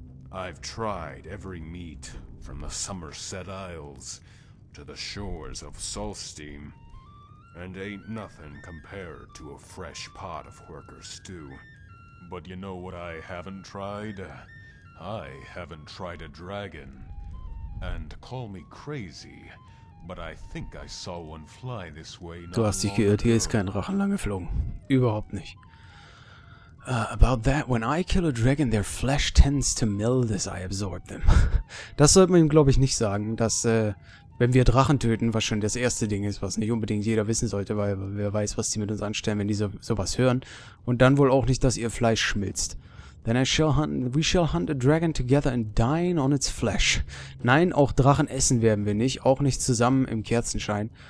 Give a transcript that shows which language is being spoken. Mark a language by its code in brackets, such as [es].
[en] I've tried every meat from the Somerset Isles to the shores of Solsteam, and ain't nothing compared to a fresh pot of Horker stew. But you know what I haven't tried? I haven't tried a dragon. And call me crazy, but I think I saw one fly this way. [de] Du hast dich geirrt, hier ist kein Drachen lang geflogen. Überhaupt nicht. [en] About that, when I kill a dragon, their flesh tends to melt as I absorb them. [de] Das sollte man ihm, glaube ich, nicht sagen, dass, wenn wir Drachen töten, was schon das erste Ding ist, was nicht unbedingt jeder wissen sollte, weil wer weiß, was die mit uns anstellen, wenn die sowas hören. Und dann wohl auch nicht, dass ihr Fleisch schmilzt. [en] Then I shall hunt. We shall hunt a dragon together and dine on its flesh. [de] Nein, auch Drachen essen werden wir nicht, auch nicht zusammen im Kerzenschein.